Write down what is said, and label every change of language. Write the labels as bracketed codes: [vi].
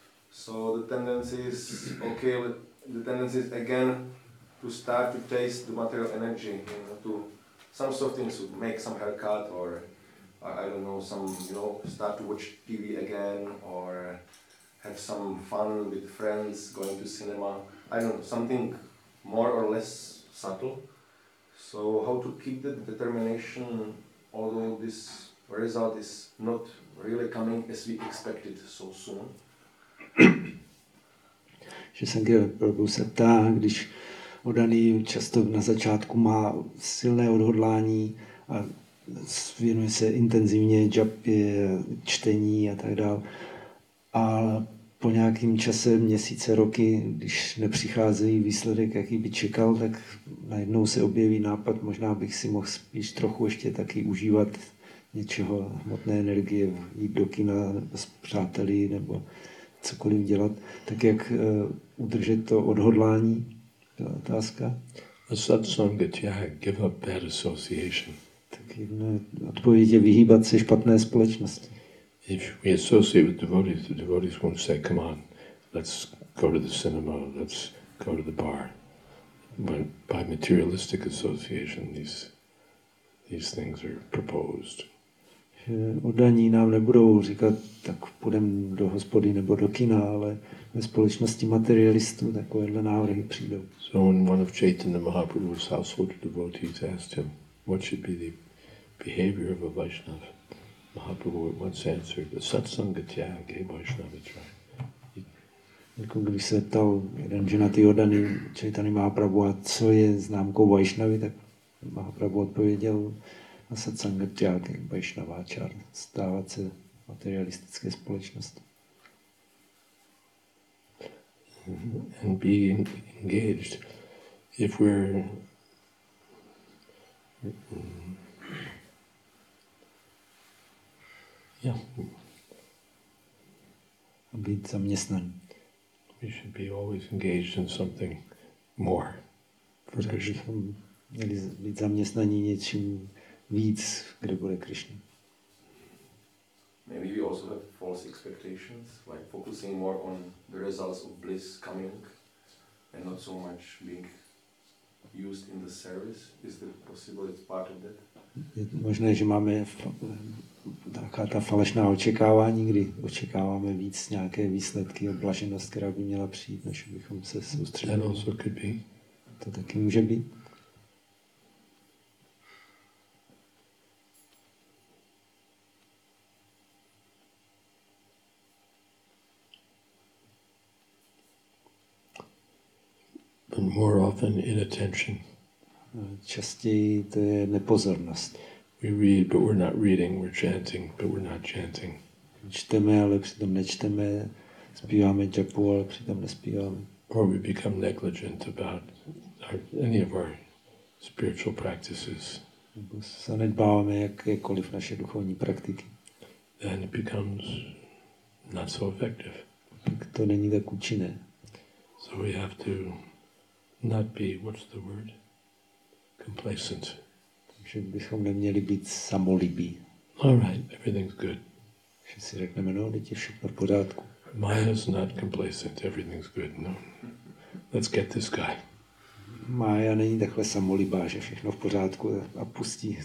[en] So the tendency is, again, to start to taste the material energy, you know, to some soft things, to make some haircut, or I don't know, some, you know, start to watch TV again, or have some fun with friends, going to cinema. I don't know, something more or less subtle. So how to keep the determination, although this result is not really coming as we expected so soon? [cs] Shesangeva Prabhu se ptá, když odaný často na začátku má silné odhodlání a věnuje se intenzivně japě, čtení a tak dál. A po nějakým čase, měsíce, roky, když nepřichází výsledek, jaký by čekal, tak najednou se objeví nápad, možná bych si mohl spíš trochu ještě taky užívat něčeho, hmotné energie, jít do kina s přáteli nebo cokoliv dělat. Tak jak udržet to odhodlání, to je otázka. [en] A satsang, yeah, give up bad association. [cs] Tak jedna odpověď je vyhýbat se špatné společnosti. [en] If we associate with devotees, the devotees won't say, come on, let's go to the cinema, let's go to the bar. But by materialistic association, these things are proposed. [cs] oddaní nám nebudou říkat, tak půjdem do hospody nebo do kina, ale ve společnosti materialistů takovéhle návrhy přijdou. [en] So in one of Chaitanya Mahaprabhu's household devotees asked him, what should be the behavior of a Vaishnava? Mahaprabhu once answered, the [sa] satsanga tyage Vaishnava tyage. [cs] Jako když se ptal jeden ženatý oddaný Chaitanya Mahaprabhu, a co je známkou Vaishnavy, tak Mahaprabhu odpověděl, a [sa] satsanga tyage Vaishnava tyage, [cs] stávat se materialistické společnosti. [en] And be engaged. If we're [cs] A být zaměstnaný. [en] We should be always engaged in something more. For Krishna. [cs] Měli být zaměstnaní něčím víc, kde bude Krishna. [en] Maybe we also have false expectations, like focusing more on the results of bliss coming and not so much being used in the service. Is that possible? It's part of that. [cs] Je možné, že máme taková ta falešná očekávání, kdy očekáváme víc nějaké výsledky a blaženost, která by měla přijít, než bychom se soustředili. To taky může být. [en] And more often inattention. [cs] Častěji to je nepozornost. [en] We read, but we're not reading. We're chanting, but we're not chanting. [cs] Čteme, ale přitom nečteme. Zpíváme japu, ale přitom nespíváme. [en] Or we become negligent about any of our spiritual practices. [cs] Zanedbáváme jakékoliv naše duchovní praktiky. [en] Then it becomes not so effective. [cs] Tak to není tak účinné. [en] So we have to not be, what's the word, complacent. [cs] Takže bychom neměli být samolibí. [en] All right, everything's good. [cs] Že si řekneme, no, teď je všechno v pořádku. [en] Maya's not complacent, everything's good, no. Let's get this guy. [cs] Maya není takhle samolibá, že všechno v pořádku a pustí.